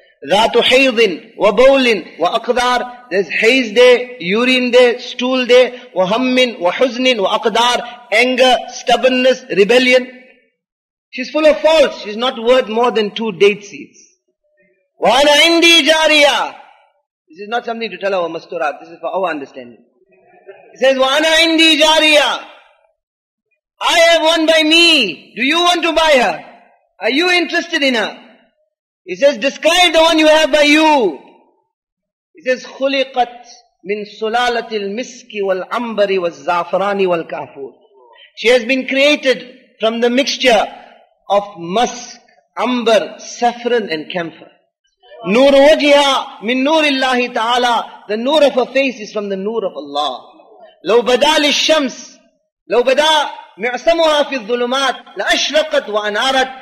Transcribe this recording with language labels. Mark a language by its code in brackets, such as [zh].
[ar] Ratu haydin wa bawlin wa aqdar, [en] there's hayz day, urine day, stool day, [ar] wa hammin wa huznin wa aqdar, [en] anger, stubbornness, rebellion. She's full of faults, she's not worth more than 2 date seeds. [ar] Wa ana indi jariya, [en] this is not something to tell our masturat, this is for our understanding. He says, [ar] وَأَنَا عِنْدِي جَارِيَا. [en] I have one by me. Do you want to buy her? Are you interested in her? He says, describe the one you have by you. He says, [ar] خُلِقَتْ مِنْ سُلَالَةِ الْمِسْكِ وَالْعَمْبَرِ وَالزَّعْفَرَانِ وَالْكَافُورِ. [en] She has been created from the mixture of musk, umber, saffron and camphor. [ar] نُورُ وَجِهَا مِنْ نُورِ اللَّهِ تَعَالَى. [en] The nur of her face is from the nur of Allah. [ar] لَوْ بَدَى لِلشَّمْسِ لَوْ بَدَى مِعْسَمُهَا فِي الظُّلُمَاتِ لَأَشْرَقَتْ وَأَنَارَتْ.